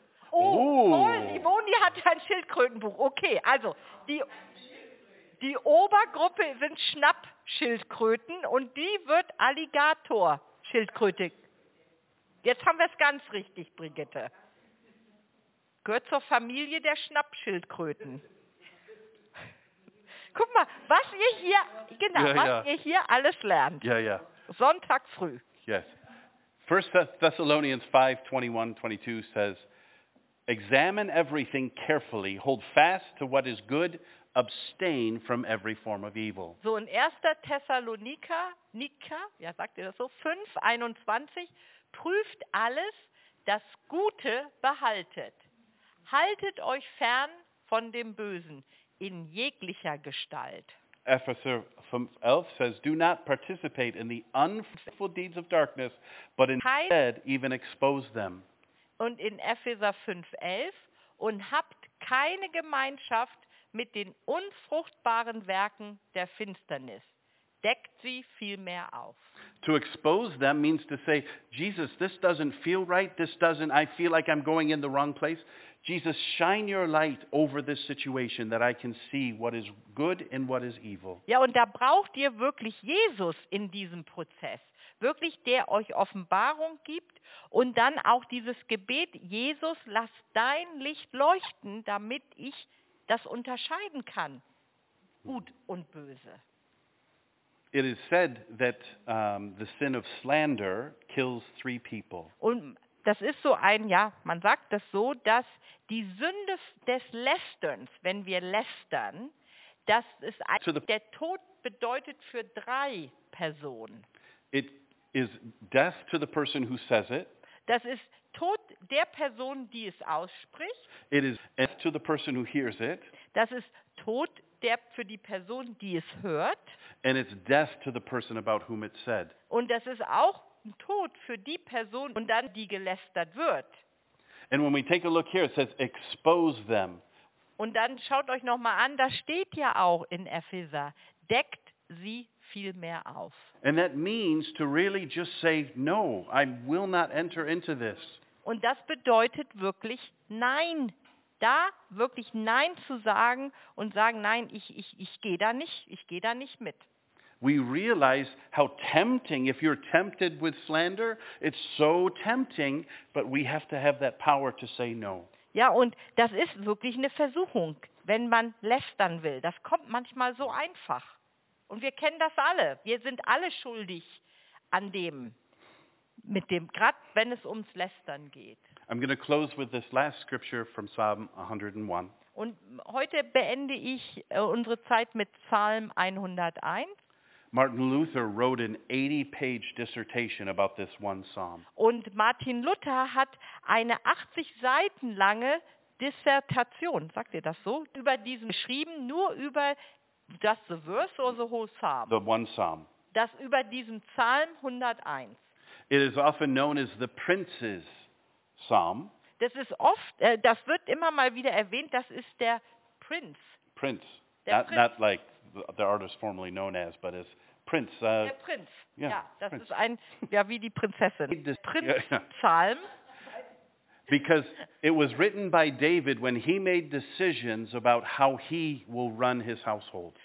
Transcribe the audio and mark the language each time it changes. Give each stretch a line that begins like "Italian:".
German: Oh, Boni hat ein Schildkrötenbuch. Okay, also die Obergruppe sind Schnappschildkröten und die wird Alligator-Schildkröte. Jetzt haben wir es ganz richtig, Brigitte. Gehört zur Familie der Schnappschildkröten. Guck mal, was ihr hier, genau, ja, ja. Was ihr hier alles lernt. Ja, ja. Sonntag früh.
English: Yes. 1 Thessalonians 5, 21-22 says, examine everything carefully, hold fast to what is good, abstain from every form of evil. So in 1.
German: Thessaloniker, Nika, ja sagt ihr das so, 5:21, prüft alles, das Gute behaltet. Haltet euch fern von dem Bösen in jeglicher Gestalt.
English: Epheser 5:11 says, do not participate in the unfruitful deeds of darkness, but instead even expose them.
German: Und in Epheser 5:11 und habt keine Gemeinschaft mit den unfruchtbaren Werken der Finsternis. Deckt sie vielmehr auf.
English: To expose them means to say, Jesus, this doesn't feel right. This doesn't, I feel like I'm going in the wrong place. Jesus, shine your light over this situation that I can see what is good and what is evil.
German: Ja, und da braucht ihr wirklich Jesus in diesem Prozess. wirklich der euch Offenbarung gibt und dann auch dieses Gebet, Jesus, lass dein Licht leuchten, damit ich das unterscheiden kann, gut und böse.
English: It is said that the sin of slander kills three people.
German: Und das ist so ein, ja, man sagt das so, dass die Sünde des Lästerns, wenn wir lästern, das ist ein, der Tod bedeutet für drei Personen.
English: It is death to the person who says it.
German: Das ist Tod der Person, die es ausspricht.
English: It is death to the person who hears it.
German: Das ist Tod der für die Person, die es hört.
English: And it's death to the person about whom it's said.
German: Und das ist auch Tod für die Person und dann die gelästert wird.
English: And when we take a look here, it says expose them.
German: Und dann schaut euch noch mal an, da steht ja auch in Epheser, deckt sie viel mehr auf.
English: And that means to really just say no, I will not enter into this.
German: Und das bedeutet wirklich nein. Da wirklich nein zu sagen und sagen, nein, ich gehe da nicht mit.
English: We realize how tempting, if you're tempted with slander, it's so tempting, but we have to have that power to say no.
German: Ja, und das ist wirklich eine Versuchung, wenn man lästern will. Das kommt manchmal so einfach. Und wir kennen das alle. Wir sind alle schuldig an dem, mit dem, gerade wenn es ums Lästern geht.
English: I'm going to close with this last scripture from Psalm 101.
German: Und heute beende ich unsere Zeit mit Psalm 101.
English: Martin Luther wrote an 80-page dissertation about this one psalm.
German: Und Martin Luther hat eine 80 Seiten lange Dissertation, sagt ihr das so, über diesen geschrieben, nur über das
English: the verse or the whole psalm. The one psalm.
German: Das über diesen Psalm 101.
English: It is often known as the Prince's Psalm.
German: Das ist oft, das wird immer mal wieder erwähnt, das ist der Prinz.
English: Prince. Not like the artist formerly known as, but as Prince.
German: Der Prinz. Yeah, ja, das Prince. Ist ein, ja, wie die Prinzessin. Prinz-Psalm.
English: Because it was written by David when he made decisions about how he will run his household.